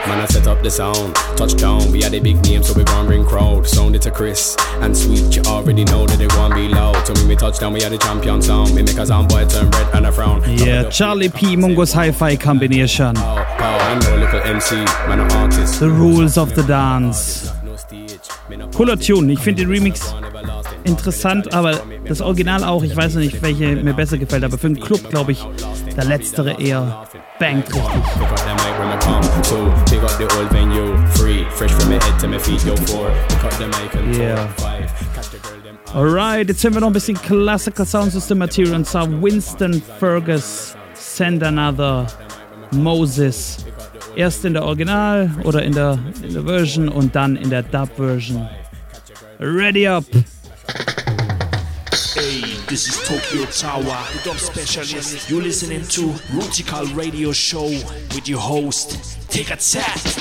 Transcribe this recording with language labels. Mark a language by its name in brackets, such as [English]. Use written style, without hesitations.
[English] Man, I set up the sound. Touchdown, we had a big name, so we gon' bring crowd. Sound it to Chris and Sweet. You already know that it won't be loud. So when we touch down, we had a champion sound. We make a sound boy turn red and a frown. Yeah, Charlie P, Mungo's Hi-Fi combination. I'm no little MC, man, an artist. The rules of the dance. Cooler Tune. [German] Ich finde den Remix interessant, aber das Original auch. Ich weiß noch nicht, welche mir besser gefällt, aber für den Club, glaube ich, der letztere eher bangt richtig. [English] Pick up the mic when I come. Two, pick up the old venue. Three, fresh from my head to my feet. Yo, four, pick up the mic and tour. [German] Alright, jetzt hören wir noch ein bisschen Classical Sound System Material, und zwar Winston Fergus, Send Another, Moses. Erst in der Original oder in der Version und dann in der Dub Version. [English] Ready up! Hey, this is Tokyo Tower, the Dub Specialist. You're listening to Rootikal Radio Show with your host, Take a Chat!